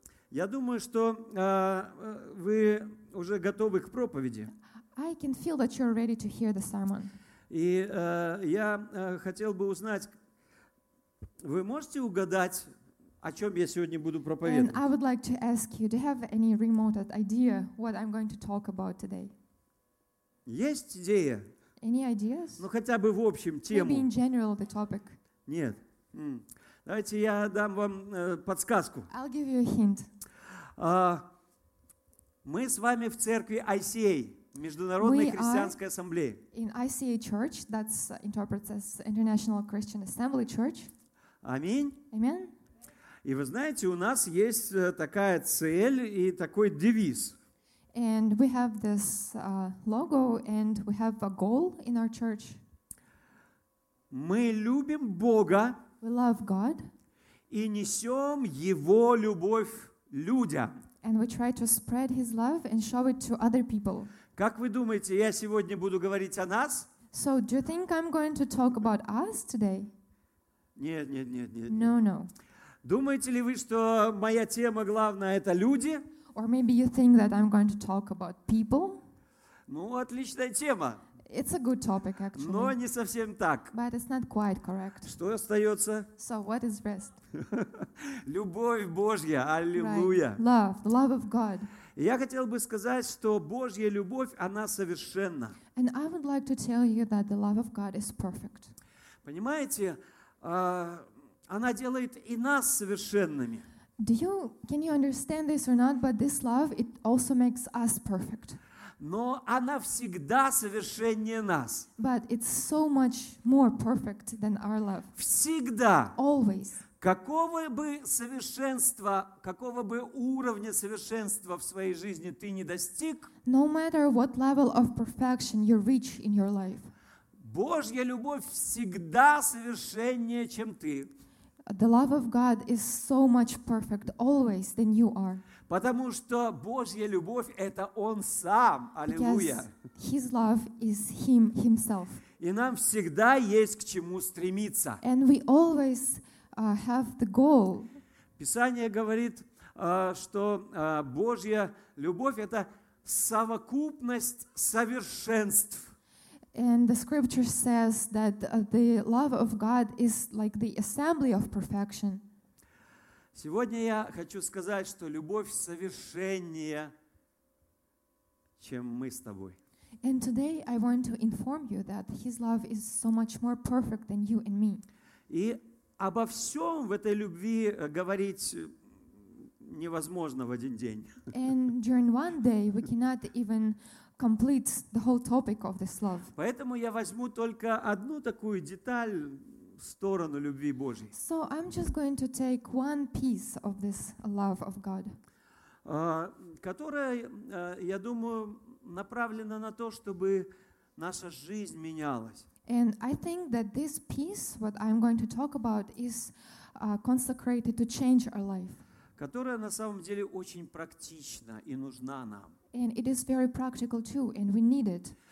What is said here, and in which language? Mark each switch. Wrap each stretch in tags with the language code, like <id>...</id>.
<ru>Я думаю, что вы уже готовы к проповеди.</ru> <en>I can feel that you're ready to hear the sermon.</en> <ru>И я хотел бы узнать, вы можете угадать, о чем я сегодня буду проповедовать?</ru> <en>And I would like to ask you, do you have any remote idea what I'm going to talk about today?</en> <ru>Есть идея?</ru> <en>Any ideas?</en> <ru>Ну, хотя бы в общем тему.</ru> <en>Maybe in general the topic.</en> <ru>Нет. Давайте я дам вам подсказку.</ru> <en>I'll give you a hint.</en> <ru>Мы с вами в церкви ICA, Международной христианской ассамблеи.</ru> <en>In ICA Church, that's interprets as International Christian Assembly Church.</en> <ru>Аминь.</ru> <en>Amen.</en> <ru>И вы знаете, у нас есть такая цель и такой девиз.</ru> <en>And we have this logo and we have a goal in our church.</en> <ru>Мы любим Бога.</ru> <en>We love God.</en> <ru>И несем Его любовь людям.</ru> <en>And we try to spread His love and show it to other people.</en> <ru>Как вы думаете, я сегодня буду говорить о нас?</ru> <en>So, do you think I'm going to talk about us today?</en> <ru>Нет, нет, нет, нет.</ru> <en>No, no.</en> <ru>Думаете ли вы, что моя тема главная — это люди?</ru> <en>Or maybe you think that I'm going to talk about people?</en> <ru>Ну, отличная тема.</ru> <en>It's a good topic, actually.</en> <ru>Но не совсем так.</ru> <en>But it's not quite correct.</en> <ru>Что остается?</ru> <en>So what is rest?</en> <ru>Любовь Божья, аллилуйя.</ru> <en>Right. Love, the love of God.</en> <ru>Я хотел бы сказать, что Божья любовь, она совершенна.</ru> <en>And I would like to tell you that the love of God is perfect.</en> <ru>Понимаете, она делает и нас совершенными.</ru> <en>Can you understand this or not? But this love, it also makes us perfect.</en> <ru>Но она всегда совершеннее нас.</ru> <en>But it's so much more perfect than our love.</en> <ru>Всегда.</ru> <en>Always.</en> <ru>Какого бы совершенства, какого бы уровня совершенства в своей жизни ты не достиг,</ru> <en>no matter what level of perfection you reach in your life,</en> <ru>Божья любовь всегда совершеннее, чем ты.</ru> <en>The love of God is so much perfect always than you are.</en> <ru>Потому что Божья любовь — это Он Сам. Аллилуйя.</ru> <en>Because His love is Him Himself.</en> <ru>И нам всегда есть к чему стремиться.</ru> <en>And we always have the goal.</en> <ru>Писание говорит, что Божья любовь — это совокупность совершенств.</ru> <en>And the scripture says that the love of God is like the assembly of perfection.</en> <ru>Сегодня я хочу сказать, что любовь совершеннее, чем мы с тобой.</ru> <en>And today I want to inform you that His love is so much more perfect than you and me.</en> <ru>И обо всем в этой любви говорить невозможно в один день.</ru> <en>And during one day we cannot even complete the whole topic of this love.</en> <ru>Поэтому я возьму только одну такую деталь, сторону любви Божьей.</ru> <en>So I'm just going to take one piece of this love of God,</en> <ru>которая, я думаю, направлена на то, чтобы наша жизнь менялась.</ru> <en>And I think that this piece, what I'm going to talk about, is consecrated to change our life.</en> <ru>Которая на самом деле очень практична и нужна нам.</ru> <en>And it is very practical too, and we need it.</en>